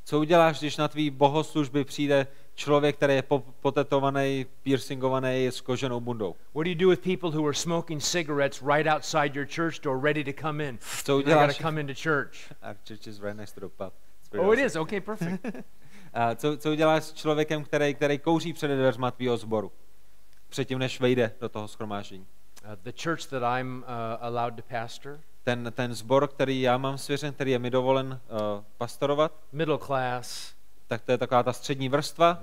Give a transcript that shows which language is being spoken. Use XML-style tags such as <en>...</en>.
<cs>Co uděláš, když na tvý bohoslužby přijde člověk, který je potetovaný, piercingovaný, s koženou bundou?</cs> <en>What do you do with people who are smoking cigarettes right outside your church door, ready to come in?</en> <cs>Co uděláš?</cs> <en>You gotta come into church. Our church is right next to the pub. Oh, it is. Okay, perfect.</en> <cs>co uděláš s člověkem, který kouří před dveřma tvýho sboru, předtím než vejde do toho shromáždění?</cs> <en>The church that I'm allowed to pastor.</en> <cs>ten zbor, který já mám svěřen, který je mi dovolen pastorovat.</cs> <en>Middle class.</en> <cs>Tak to je taková ta střední vrstva.</cs>